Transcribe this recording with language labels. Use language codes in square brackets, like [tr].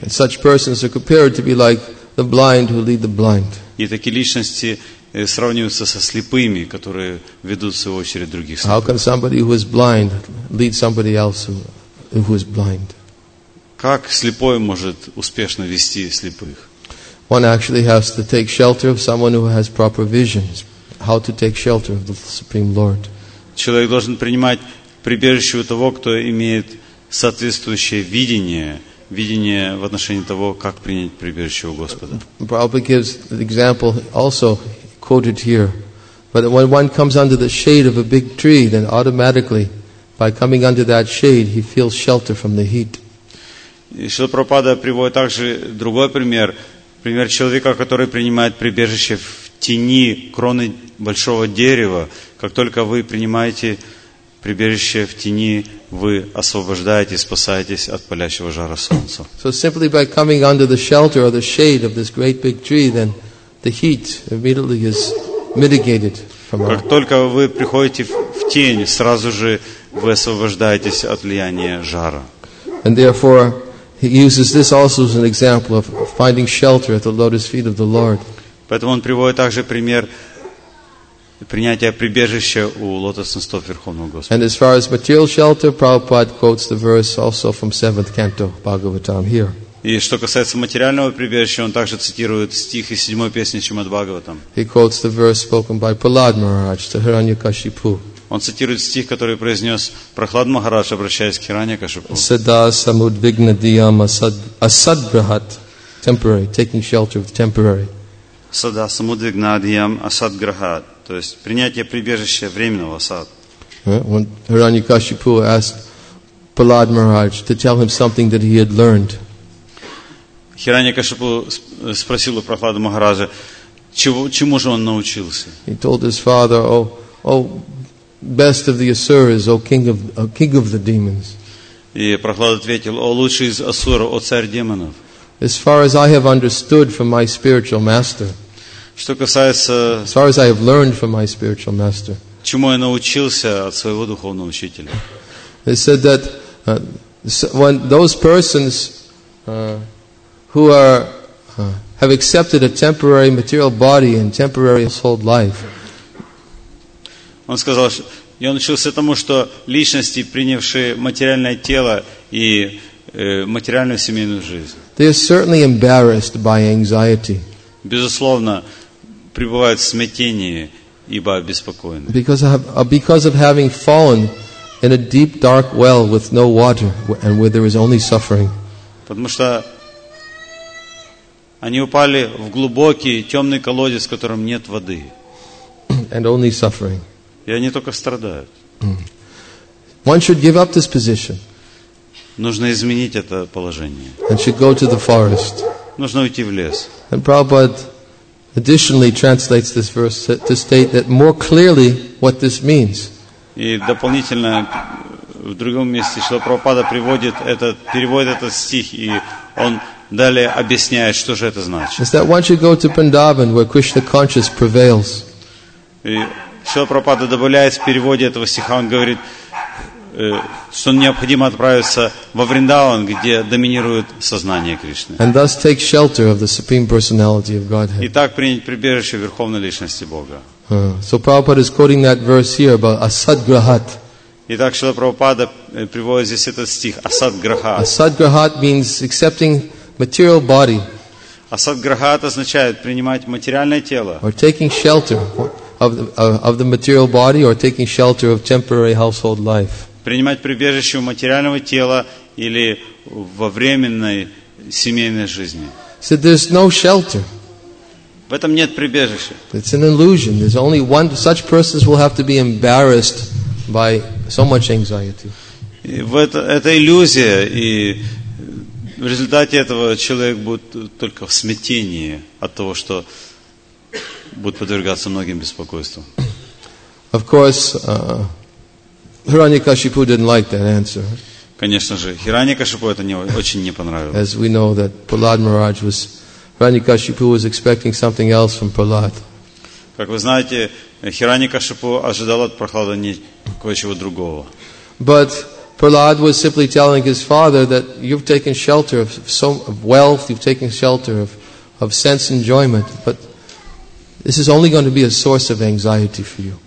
[en] And such persons are compared to be like the blind who lead the blind. [ru] И такие личности сравниваются со слепыми, которые ведут в свою очередь других слепых. [en] How can somebody who is blind lead somebody else who is blind? [ru] Как слепой может успешно вести слепых? [en] One actually has to take shelter of someone who has proper vision. How to take shelter of the Supreme Lord? [ru] Человек должен принимать прибежище у того, кто имеет соответствующее видение в отношении того, как принять прибежище у Господа. [en] Prabhupada gives the example also quoted here. But when one comes under the shade of a big tree, then automatically, by coming under that shade, he feels shelter from the heat. [ru] Шрила Прабхупада приводит также другой пример. Пример человека, который принимает прибежище в тени кроны большого дерева. Как только вы принимаете прибежище в тени, вы освобождаетесь, спасаетесь от палящего жара солнца. [en] So simply by coming under the shelter or the shade of this great big tree, then the heat immediately is mitigated from our... [ru] Как только вы приходите в тень, сразу же вы освобождаетесь от влияния жара. [en] And therefore, he uses this also as an example of finding shelter at the lotus feet of the Lord. [ru] Поэтому он приводит также пример принятия прибежища у лотосных стоп Верховного Господа. [en] And as far as material shelter, Prabhupada quotes the verse also from 7th canto Bhagavatam here. [ru] И что касается материального прибежища, он также цитирует стих из седьмой песни Шримад Бхагаватам. [en] He quotes the verse spoken by Prahlad Maharaj to Hiranyakashipu. [ru] Он цитирует стих, который произнес Прохлад Махарадж, обращаясь к Хираньякашипу. [sa] Сада самудвигна диам асадграхат, [en] temporary, taking shelter of the temporary. [sa] Сада самудвигна диам асадграхат, [ru] то есть принятие прибежища временного осад. [en] When Hiranyakashipu asked Prahlad Maharaj to tell him something that he had learned. [ru] Хираньякашипу спросил у Прохлада Махараджа, чему же он научился. [en] He told his father, best of the asuras, o king of the demons. [ru] И Прохлад ответил: о лучший из асур, о царь демонов. [en] As far as I have understood from my spiritual master. [ru] Что касается. [en] As far as I have learned from my spiritual master. [ru] Чему я научился от своего духовного учителя? [en] They said that when those persons who have accepted a temporary material body and temporary household life. [ru] Он сказал, что я научился тому, что личности, принявшие материальное тело и материальную семейную жизнь, [en] they are certainly embarrassed by anxiety. [ru] Безусловно, пребывают в смятении, ибо обеспокоены. [en] Because of having fallen in a deep dark well with no water and where there is only suffering. [ru] Потому что они упали в глубокий темный колодец, в котором нет воды. [en] And only suffering. [ru] И они только страдают. [en] One should give up this position. [ru] Нужно изменить это положение. [en] And should go to the forest. [ru] Нужно уйти в лес. [en] And Prabhupada additionally translates this verse to state that more clearly what this means. [ru] И дополнительно в другом месте Шрила Прабхупада переводит этот стих, и он далее объясняет, что же это значит. [en] Is that one should go to Vrindavan where Krishna consciousness prevails. [ru] Шрила Прабхупада добавляет в переводе этого стиха, он говорит, что необходимо отправиться во Вриндаван, где доминирует сознание Кришны. [en] And thus take shelter of the Supreme Personality of Godhead. [ru] И так принять прибежище Верховной Личности Бога. [en] So Prabhupada is quoting that verse here about asadgrahat. [ru] Итак, Шрила Прабхупада приводит здесь этот стих асадграхат. [en] Асадграхат means accepting material body. [ru] Асадграхат означает принимать материальное тело. [en] Or taking shelter of the material body, or taking shelter of temporary household life. [ru] Принимать прибежище у материального тела или во временной семейной жизни. [en] So there's no shelter. [ru] В этом нет прибежища. [en] It's an illusion. There's only one. Such persons will have to be embarrassed by so much anxiety. [ru] Это иллюзия, и в результате этого человек будет только в смятении от того, что будет подвергаться многим беспокойствам. [en] Of course, Hiranyakashipu didn't like that answer. [ru] Конечно же, Хираньякашипу это очень не понравилось. [en] As we know that Prahlad Maharaj was, Hiranyakashipu was expecting something else from Prahlad. [ru] Как вы знаете, Хираньякашипу ожидал от Прохлада кое-чего другого. [en] But Prahlad was simply telling his father that you've taken shelter of some wealth, you've taken shelter of sense enjoyment, but this is only going to be a source of anxiety for you.